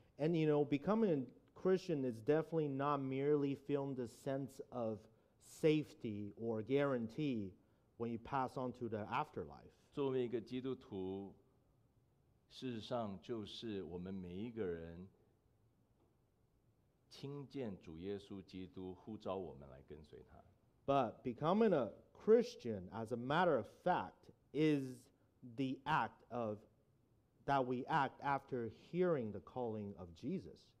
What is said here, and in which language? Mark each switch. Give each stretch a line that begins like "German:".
English: And you know, becoming a Christian is definitely not merely feeling the sense of safety or guarantee when you pass on to the afterlife.
Chinese: 作为一个基督徒。事实上就是我们每一个人听见主耶稣基督呼召我们来跟随他。But
English: becoming a Christian, as a matter of fact, is the act of that we act after hearing the calling of Jesus.